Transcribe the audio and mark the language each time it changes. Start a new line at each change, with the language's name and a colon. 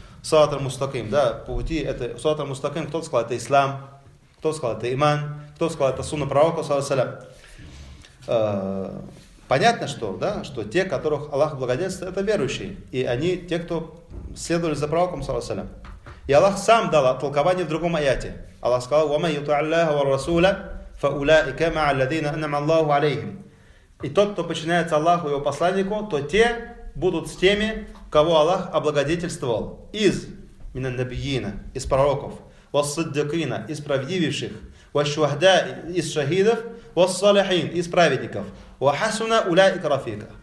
Russian: Сурат аль-мустаким, да, по пути это сурат аль-мустаким, кто-то сказал, это ислам, кто-то сказал, это иман, кто-то сказал, это сунна пророка, саллаллаху алейхи. Понятно, что, да, что те, которых Аллах благодетельствует, это верующие. И они те, кто следовали за пророком, саллаллаху алейхи ва саллям. И Аллах сам дал толкование в другом аяте. Аллах сказал,
Arabic: وَمَنْ يُطِعِ اللَّهَ وَالرَّسُولَ فَأُولَٰئِكَ مَعَ الَّذِينَ أَنْعَمَ اللَّهُ عَلَيْهِمْ.
Russian: И тот, кто подчиняется Аллаху и его посланнику, то те будут с теми, кого Аллах облагодетельствовал. Из
Arabic: мина набиина,
Russian: из пророков.
Arabic: وَالصِّدِّقِينَ,
Russian: из правдивейших.
Arabic: وَالشُّهَدَاء,
Russian: из шахидов.
Arabic: وَالصَّالِحِينَ,
Russian: из праведников.
Arabic: وَحَسُنَ أُولَٰئِكَ رَفِيقًا.